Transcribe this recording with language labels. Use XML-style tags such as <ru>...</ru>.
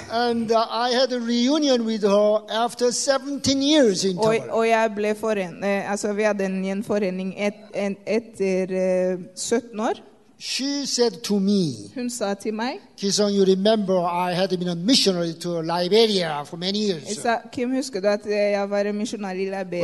<en>And I had a reunion with her after 17 years in total.</en> <no>Og jeg ble forenet, altså vi hadde en gjenforening etter 17 år.</no> <en>She said to me,</en> <no>hun sa til meg,</no> <en>Kisong, you remember I had been a missionary to Liberia for many years.</en> <no>Jeg sa, Kim, husker du at jeg var en missionær I Liberia</no>